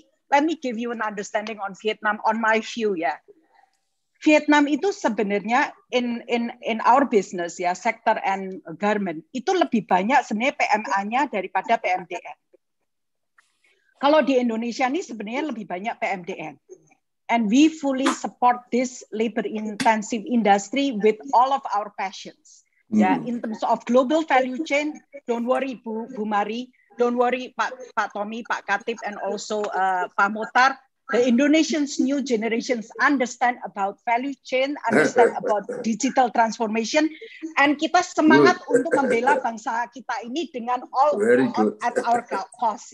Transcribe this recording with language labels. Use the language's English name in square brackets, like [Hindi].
[English] Let me give you an understanding on Vietnam on my view, ya. Yeah. Vietnam itu sebenarnya in our business, ya, yeah, sector and garment [Indonesian] itu lebih banyak sebenarnya PMA-nya daripada PMDN. Kalau di Indonesia ini sebenarnya lebih banyak PMDN. [English] And we fully support this labor intensive industry with all of our passions. Ya, yeah. In terms of global value chain, don't worry Bu Mari. Don't worry, Pak Tommy, Pak Katip, and also Pak Mutar. the Indonesian's new generations understand about value chain, understand about digital transformation, and [Indonesian] kita semangat [English] good. [Indonesian] Untuk membela bangsa kita ini dengan [English] all at our cost.